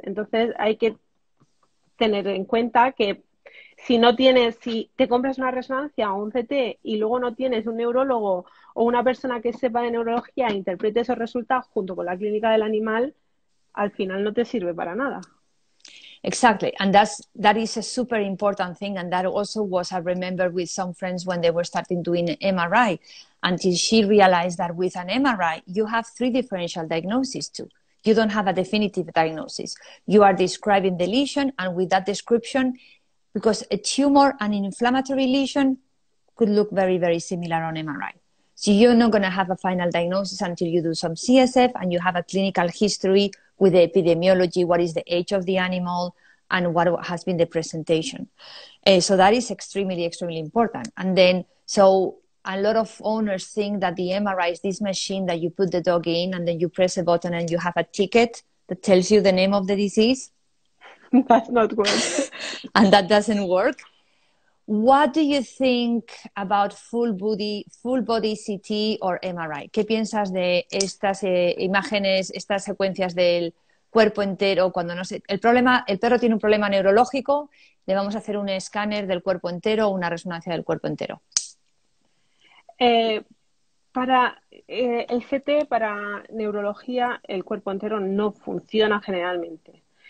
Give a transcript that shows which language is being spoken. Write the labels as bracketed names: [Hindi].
[Spanish] Entonces, hay que tener en cuenta que si te compras una resonancia o un CT y luego no tienes un neurólogo o una persona que sepa de neurología e interprete esos resultados junto con la clínica del animal, al final no te sirve para nada. [English] Exactly, and that is a super important thing, and that also was, I remember, with some friends when they were starting doing MRI, until she realized that with an MRI you have three differential diagnoses too. You don't have a definitive diagnosis. You are describing the lesion, and with that description, because a tumor and an inflammatory lesion could look very, very similar on MRI. So you're not going to have a final diagnosis until you do some CSF and you have a clinical history with the epidemiology, what is the age of the animal, and what has been the presentation. So that is extremely, extremely important. And then, so a lot of owners think that the MRI is this machine that you put the dog in and then you press a button and you have a ticket that tells you the name of the disease. That's not good. And that doesn't work. What do you think about full body CT or MRI? [Spanish] ¿Qué piensas de estas imágenes, estas secuencias del cuerpo entero cuando no sé, el perro tiene un problema neurológico, le vamos a hacer un escáner del cuerpo entero o una resonancia del cuerpo entero? El CT para neurología, el cuerpo entero no funciona generalmente.